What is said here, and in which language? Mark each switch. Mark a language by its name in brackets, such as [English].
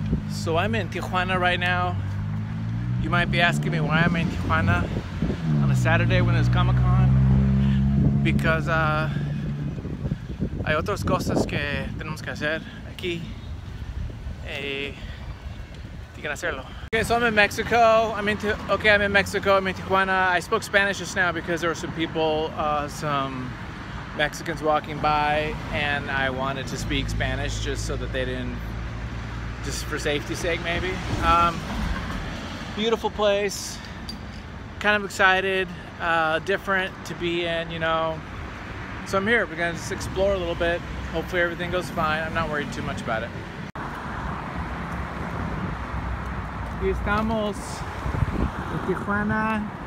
[English] So I'm in Tijuana right now. You might be asking me why I'm in Tijuana on a Saturday when it's Comic-Con. Because [Spanish] hay otras cosas que tenemos que hacer aquí. Y can hacerlo. [English] Okay, so I'm in Mexico. I'm in Tijuana. I spoke Spanish just now because there were some people, some Mexicans walking by, and I wanted to speak Spanish just so that they didn't, just for safety's sake, maybe. Beautiful place. Kind of excited. Different to be in, you know. So I'm here. We're gonna just explore a little bit. Hopefully everything goes fine. I'm not worried too much about it. [Spanish] Aquí estamos en Tijuana.